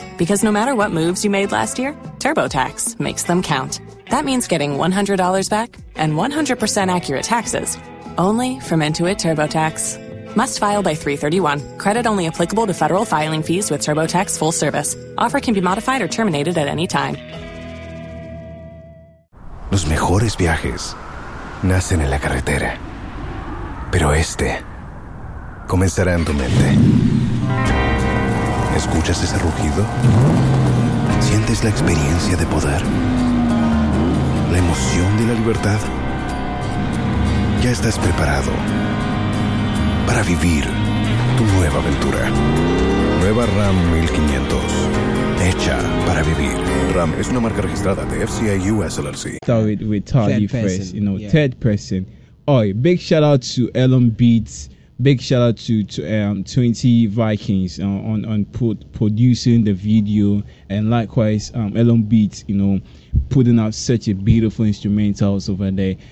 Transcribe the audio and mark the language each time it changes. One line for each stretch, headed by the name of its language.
English: Because no matter what moves you made last year, TurboTax makes them count. That means getting $100 back and 100% accurate taxes only from Intuit TurboTax. Must file by 3/31. Credit only applicable to federal filing fees with TurboTax full service. Offer can be modified or terminated at any time.
Spanish: Los mejores viajes nacen en la carretera, pero este comenzará en tu mente. ¿Escuchas ese rugido? ¿Sientes la experiencia de poder? ¿La emoción de la libertad? Ya estás preparado para vivir tu nueva aventura. Nueva Ram 1500. Hecha para vivir. Ram es una marca registrada de FCA US LLC.
English: Start with Tali first. You know, yeah. Third person. Oi, big shout out to Elon Beats. Big shout out to 20 Vikings on producing the video. And likewise, Elon Beats, you know, putting out such a beautiful instrumentals over there.